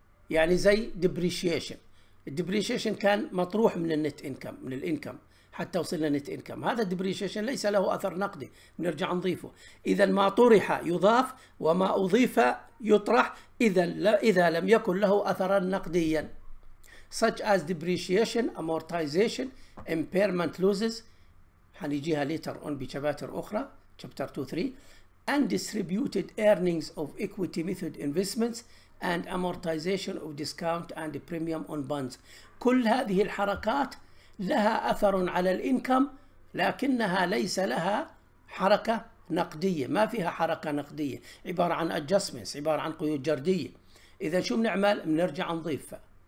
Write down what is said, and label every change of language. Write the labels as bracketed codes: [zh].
[ar] يعني زي depreciation. depreciation كان مطروح من النت انكم من الانكم حتى وصلنا نت انكم، هذا الديبريشيشن ليس له اثر نقدي، بنرجع نضيفه. اذا ما طرح يضاف وما اضيف يطرح اذا لم يكن له اثرا نقديا. [en] such as depreciation, amortization, impairment losses [ar] حنيجيها [en] later on [ar] بشباتر اخرى [en] chapter 2 3 and distributed earnings of equity method investments and amortization of discount and premium on bonds. [ar] كل هذه الحركات لها أثر على الإنكم لكنها ليس لها حركة نقدية، ما فيها حركة نقدية، عبارة عن adjustments، عبارة عن قيود جردية. إذا شو بنعمل؟ بنرجع نضيفها.